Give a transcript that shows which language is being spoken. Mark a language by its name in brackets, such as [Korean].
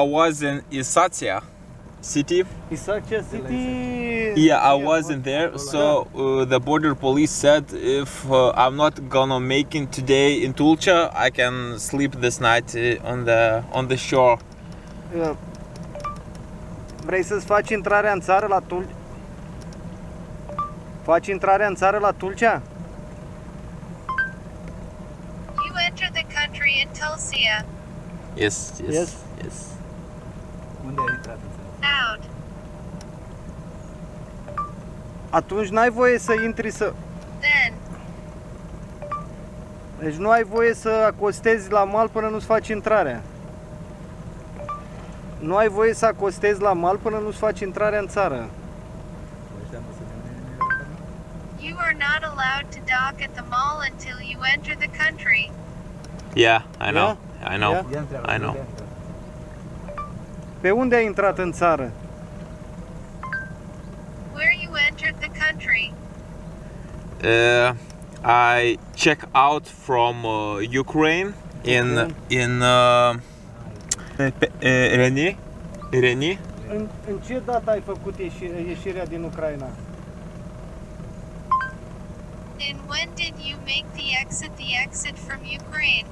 [English] I was in Isatia city. Isatia city. Yeah, I wasn't there. So the border police said if I'm not gonna make it today in Tulcea, I can sleep this night on the shore. [Romanian] Vrei să-ți faci intrarea în țară la Tulcea? Faci intrarea în țară la Tulcea? [English] You enter the country in Tulcea. Yes, yes, yes, yes. [Romanian] Unde ai intrat? [English] Out. [Romanian] Atunci n-ai voie să intri să... [English] Then. [Romanian] Deci nu ai voie să acostezi la mal până nu-ți faci intrarea. Nu ai voie să acostezi la mal până nu-ți faci intrarea în țară. [English] You are not allowed to dock at the mall until you enter the country. Yeah, I know. Yeah? I know. Yeah. I know. [Romanian] Pe unde ai intrat în țară? [English] Where you entered the country? I check out from Ukraine in Reni. Reni. [Romanian] În ce dată ai făcut ieșirea din Ucraina? [English] And when did you make the exit from Ukraine?